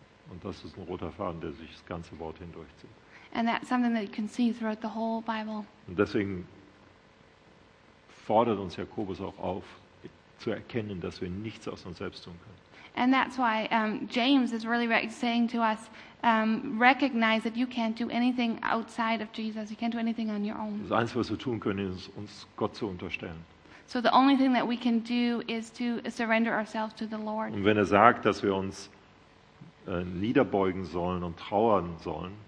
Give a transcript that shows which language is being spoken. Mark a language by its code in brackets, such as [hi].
[de] Und das ist ein roter Faden, der sich das ganze Wort hindurchzieht. [en] And that's something that you can see throughout the whole Bible. [de] Und deswegen fordert uns Jakobus auch auf, zu erkennen, dass wir nichts aus uns selbst tun können. [en] And that's why James is really saying to us, recognize that you can't do anything outside of Jesus. You can't do anything on your own. [de] Das Einzige, was wir tun können, ist uns Gott zu unterstellen. [en] So the only thing that we can do is to surrender ourselves to the Lord. [de] Und wenn er sagt, dass wir uns niederbeugen sollen und trauern sollen.